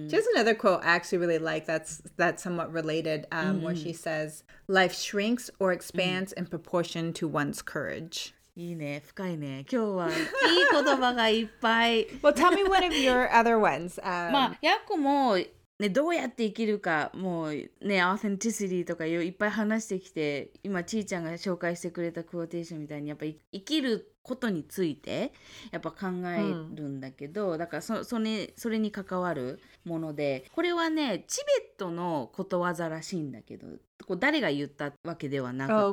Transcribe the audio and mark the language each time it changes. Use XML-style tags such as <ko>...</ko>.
<en>Just another quote I actually really like that's somewhat related, where she says, "Life shrinks or expands in proportion to one's courage."</en> <ja>いいね、深いね。今日はいい言葉がいっぱい。</ja> <en>Well, tell me one of your other ones.</en> <ja>まあ、ヤコもね、どうやって生きるか、もうね、アーセンティシティとかいっぱい話してきて、今ちーちゃんが紹介してくれたクオーテーションみたいに、やっぱり生きることについてやっぱ考えるんだけど、だから それに関わるもので、これはね、チベットのことわざらしいんだけど、こう誰が言ったわけではなくて、</ja>